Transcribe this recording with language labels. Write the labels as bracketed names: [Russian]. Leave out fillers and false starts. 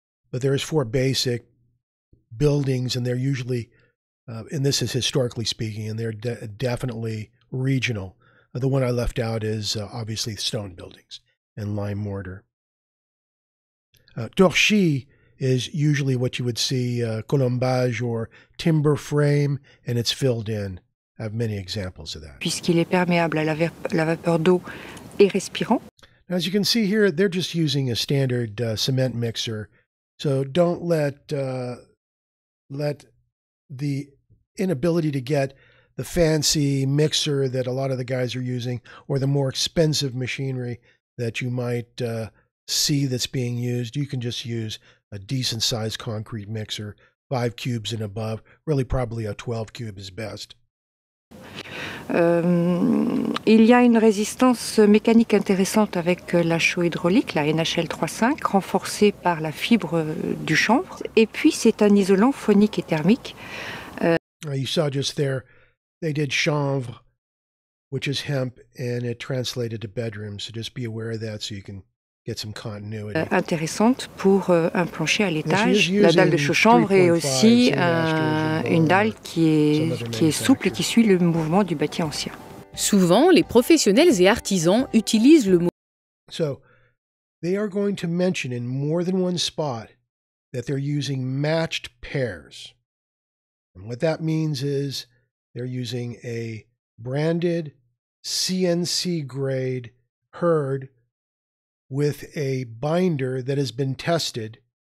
[English] But there is four basic buildings, and they're usually, and this is historically speaking, and they're definitely regional. The one I left out is obviously stone buildings and lime mortar. Torchis is usually what you would see, colombage or timber frame, and it's filled in. I have many examples of that. [French] Puisqu'il est perméable à la vapeur d'eau et respirant. [English] Now, as you can see here, they're just using a standard cement mixer. So don't let the inability to get the fancy mixer that a lot of the guys are using, or the more expensive machinery that you might see that's being used. You can just use a decent-sized concrete mixer, 5 cubes and above. Really, probably a 12-cube is best. [French] Il y a une résistance mécanique intéressante avec la chaux hydraulique, la NHL 3.5, renforcée par la fibre du chanvre. Et puis, c'est un isolant phonique et thermique. [English] You saw just there, they did chanvre, which is hemp, and it translated to bedroom. So just be aware of that so you can get some continuity. [French] Intéressante pour un plancher à l'étage, la dalle de chaux-chanvre est aussi une dalle qui est souple et qui suit le mouvement du bâti ancien. Souvent, les professionnels et artisans utilisent le mot... [English] So, they are going to mention in more than one spot that they're using matched pairs. And what that means is they're using a branded CNC grade herd with a binder that has been tested.